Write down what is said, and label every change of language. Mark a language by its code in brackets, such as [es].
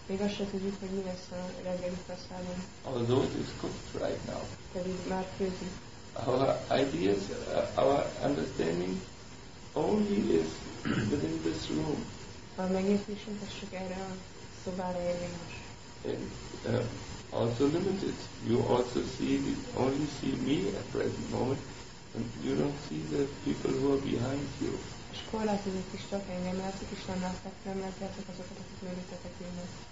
[hu] Még azt sem tudjuk, hogy mi lesz a reggeli prasadam. [en] Although it is cooked right now. [hu] Pedig már főzik. [en] Our ideas, our understanding only is within this room. [hu] A megértésünk az csak erre a szobára érvényes. [en] And also limited. You also only see me at present moment. And you don't see the people who are behind you. [hu] És korlátozik is csak engem, mert azok is nem látták, nem látják azokat, akik mögöttetek jönnek.